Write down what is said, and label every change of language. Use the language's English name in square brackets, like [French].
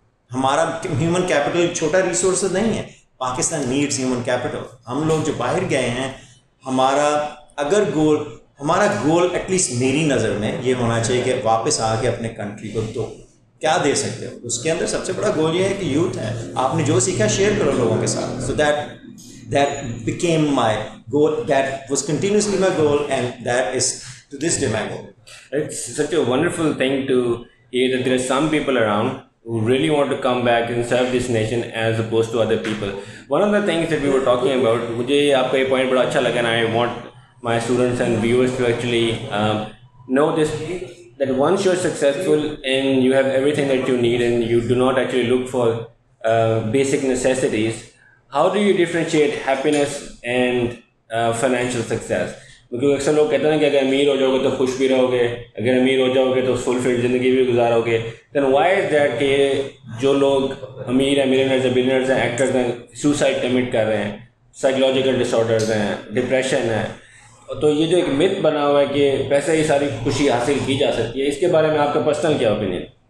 [Urdu] ہمارا human capital چھوٹا resources نہیں ہے، [English] Pakistan needs human capital, [Urdu] ہم لوگ جو باہر گئے ہیں، ہمارا اگر گول، ہمارا گول ایٹ لیسٹ میری نظر میں یہ ہونا چاہیے کہ واپس آ کے اپنے کنٹری کو دو، کیا دے سکتے ہو، اس کے اندر سب سے بڑا گول یہ ہے کہ یوتھ ہے، آپ نے جو سیکھا شیئر کرو لوگوں کے ساتھ، [English] so that that became my goal, [Urdu] that was continuously my goal, and that is to this day my goal, [English] It's such a wonderful thing to hear that there are some people around who really want to come back and serve this nation as opposed to other people. One of the things that we were talking about, [Urdu] mujhe aapka ye point bada acha laga, [English] and I want my students and viewers to actually know this, that once you're successful and you have everything that you need and you do not actually look for basic necessities, how do you differentiate happiness and financial success? [Urdu] کیونکہ اکثر لوگ کہتے ہیں کہ اگر امیر ہو جاؤ گے تو خوش بھی رہو گے، اگر امیر ہو جاؤ گے تو فلفلڈ زندگی بھی گزارو گے، [English] then why is that [Urdu] کہ جو لوگ امیر ہیں، ملینئرز ہیں، بلینئرز ہیں، ایکٹرز ہیں، سوسائڈ کمٹ کر رہے ہیں، سائیکولوجیکل ڈسارڈرز ہیں، ڈپریشن ہے، تو یہ جو ایک مت بنا ہوا ہے کہ پیسے ہی ساری خوشی حاصل کی جا سکتی ہے، اس کے بارے میں آپ کا پرسنل کیا اوپینین؟